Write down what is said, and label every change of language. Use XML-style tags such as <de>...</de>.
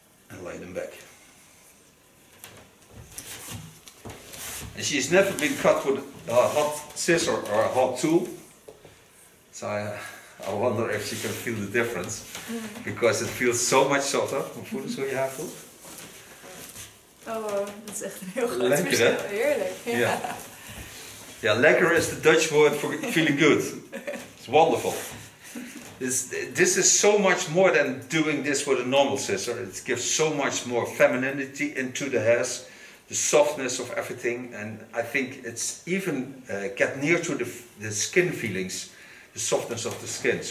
<en>And lay them back. And she's never been cut with a hot scissor or a hot tool. So I wonder if she can feel the difference. Because it feels so much softer.</en> <nl>Hoe voelt het zo je haar voelt? Oh, dat is echt een heel goed verschil. Heerlijk.</nl> <en>Yeah. Yeah, lekker is the Dutch word for feeling good. It's wonderful. This is so much more than doing this with a normal scissor. It gives so much more femininity into the hairs, the softness of everything, and I think it's even get near to the skin feelings, the softness of the skin.</en>